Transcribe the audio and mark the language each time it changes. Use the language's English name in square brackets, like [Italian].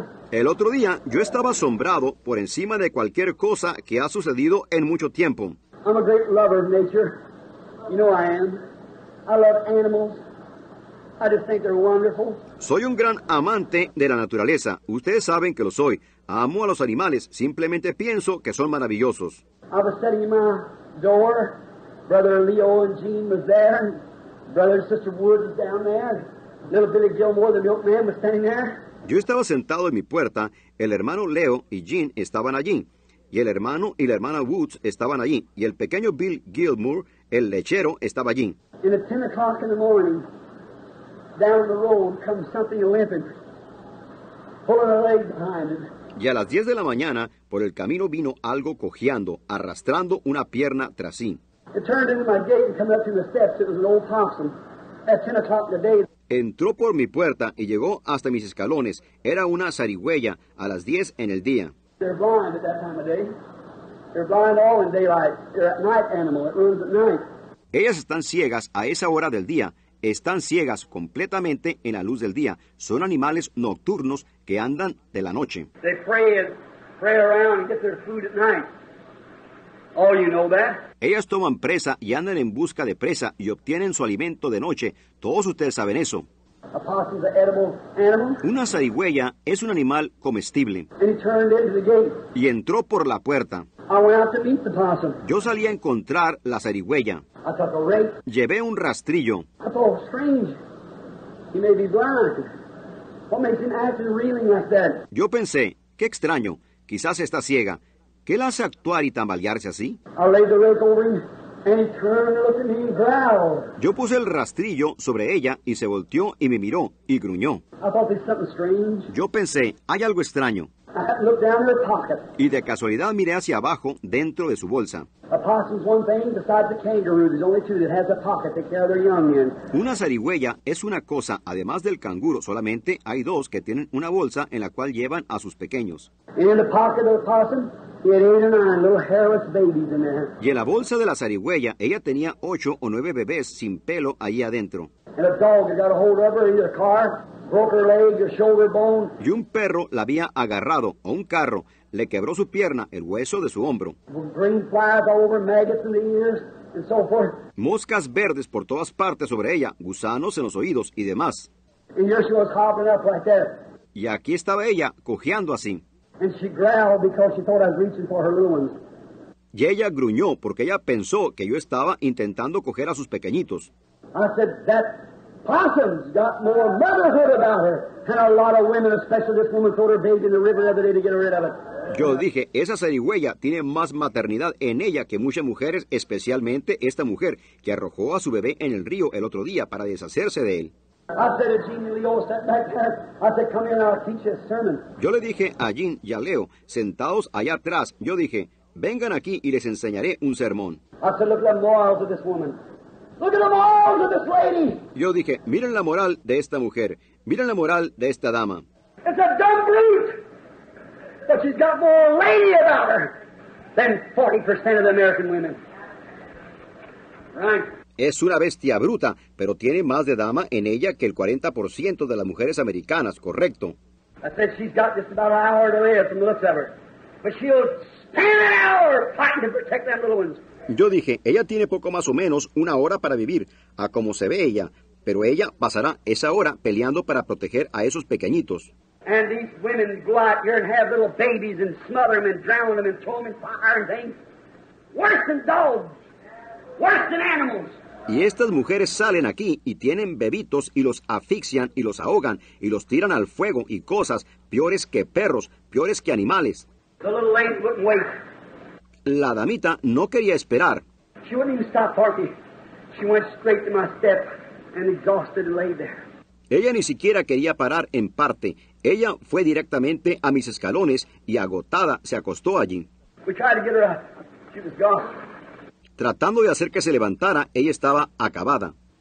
[Spanish] El otro día, yo estaba asombrado por encima de cualquier cosa que ha sucedido en mucho tiempo. [English] I'm a great lover of nature. You know I am. I love animals. I just think they're wonderful. [Spanish] Soy un gran amante de la naturaleza. Ustedes saben que lo soy. Amo a los animales. Simplemente pienso que son maravillosos. [English] I was sitting in my door. Brother Leo and Jean was there. Brother and Sister Wood was down there. Little Billy Gilmore, the milkman, was standing there. [Spanish] Yo estaba sentado en mi puerta. El hermano Leo y Jean estaban allí. Y el hermano y la hermana Woods estaban allí. Y el pequeño Bill Gilmore, el lechero, estaba allí. [English] And at 10 o'clock in the morning, down the road comes something limping, pulling a leg behind him. [Spanish] Y a las 10 de la mañana, por el camino vino algo cojeando, arrastrando una pierna tras sí. [English] It turned into my gate and came up through the steps. It was an old possum. At 10 o'clock in the day. [Spanish] Entró por mi puerta y llegó hasta mis escalones. Era una zarigüeya a las 10 en el día. [English] They're blind at that time of day. They're blind all in daylight. They're a night animal. It runs at night. [Spanish] Ellas están ciegas a esa hora del día. Están ciegas completamente en la luz del día. Son animales nocturnos que andan de la noche. [English] They pray pray around and get their food at night. All you know that. [Spanish] Ellas toman presa y andan en busca de presa y obtienen su alimento de noche. Todos ustedes saben eso. [English] A possum is an edible animal. [Spanish] Una zarigüeya es un animal comestible. [English] And he turned into the gate. [Spanish] Y entró por la puerta. [English] I went out to meet the possum. [Spanish] Yo salí a encontrar la zarigüeya. [English] I took a rake. [Spanish] Llevé un rastrillo. [English] I thought, strange. He may be blind. What makes him act and reeling like that? [Spanish] Yo pensé, qué extraño, quizás está ciega. ¿Qué la hace actuar y tambalearse así? [English] I laid the rake over him. And he turned, looked at me, and growled. [Spanish] Yo puse el rastrillo sobre ella y se volteó y me miró y gruñó. [English] I thought there's something strange. [Spanish] Yo pensé, hay algo extraño. [English] I looked down in her pocket. [Spanish] Y de casualidad miré hacia abajo dentro de su bolsa. [English] A possum's one thing besides the kangaroo. There's only two that has a pocket that carry their young in. [Spanish] Una zarigüeya es una cosa. Además del canguro, solamente hay dos que tienen una bolsa en la cual llevan a sus pequeños. [English] And in the pocket of the possum. He had 8 or 9 little hairless babies in there. [Spanish] Y en la bolsa de la zarigüeya, ella tenía 8 o 9 bebés sin pelo ahí adentro. [English] And a dog had got a hold of her in the car, broke her leg, her shoulder bone. [Spanish] Y un perro la había agarrado, o un carro, le quebró su pierna, el hueso de su hombro. [English] Green flies all over, maggots in the ears, and so forth. [Spanish] Moscas verdes por todas partes sobre ella, gusanos en los oídos y demás. [English] And here she was hopping up like that. [Spanish] Y aquí estaba ella, cojeando así. [English] And she growled because she thought I was reaching for her little ones. [Spanish] Y ella gruñó porque ella pensó que yo estaba intentando coger a sus pequeñitos. [English] I said, that possum's got more motherhood about her than a lot of women, especially this woman throwed her baby in the river the other day to get rid of it. [Spanish] Yo dije, esa zarigüeya tiene más maternidad en ella que muchas mujeres, especialmente esta mujer que arrojó a su bebé en el río el otro día para deshacerse de él. [English] I said to Jean and Leo, sat back there. I said, come here and I'll teach you a sermon. [Spanish] Yo le dije a Jean y a Leo, sentados allá atrás, yo dije, vengan aquí y les enseñaré un sermón. [English] I said, look at the morals of this woman. Look at the morals of this lady. [Spanish] Yo dije, miren la moral de esta mujer. Miren la moral de esta dama. [English] It's a dumb brute. But she's got more lady about her than 40% of the American women. Right. [Spanish] Es una bestia bruta, pero tiene más de dama en ella que el 40% de las mujeres americanas, correcto. [English] I said she's got just about an hour to live from the looks of her. But she'll spend an hour fighting to protect them little ones. [Spanish] Yo dije, ella tiene poco más o menos una hora para vivir, a como se ve ella. Pero ella pasará esa hora peleando para proteger a esos pequeñitos. [English] And these women go out here and have little babies and smother them and drown them and throw them in fire and things. Worse than dogs. Worse than animals. [Spanish] Y estas mujeres salen aquí y tienen bebitos y los asfixian y los ahogan y los tiran al fuego y cosas peores que perros, peores que animales. [English] The little lady wouldn't wait. [Spanish] La damita no quería esperar. [English] She wouldn't even stop barking. She went straight to my step and exhausted and lay there. [Spanish] Ella ni siquiera quería parar en parte. Ella fue directamente a mis escalones y agotada se acostó allí. [English] We tried to get her up. She was gone. [Spanish] Tratando de hacer que se levantara, ella estaba acabada.